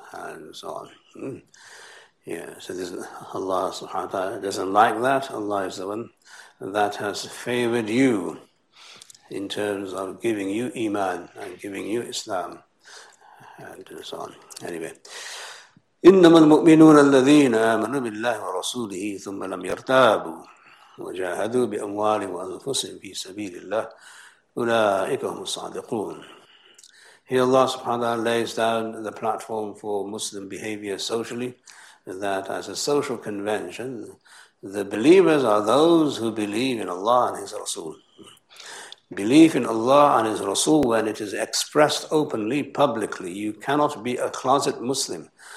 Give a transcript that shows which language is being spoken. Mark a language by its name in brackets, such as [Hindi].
[English] And so on. So this, Allah subhanahu wa ta'ala doesn't like that. Allah is the one that has favored you in terms of giving you Iman and giving you Islam, and so on. Anyway. [Arabic] إنما المؤمنون الذين آمنوا بالله ورسوله ثم لم يرتابوا وجاهدوا بأموالهم وأنفسهم في سبيل الله أولئك هم الصادقون. [English] Here Allah subhanahu wa ta'ala lays down the platform for Muslim behavior socially, that as a social convention, the believers are those who believe in Allah and His Rasul. Belief in Allah and His Rasul, when it is expressed openly, publicly, you cannot be a closet Muslim.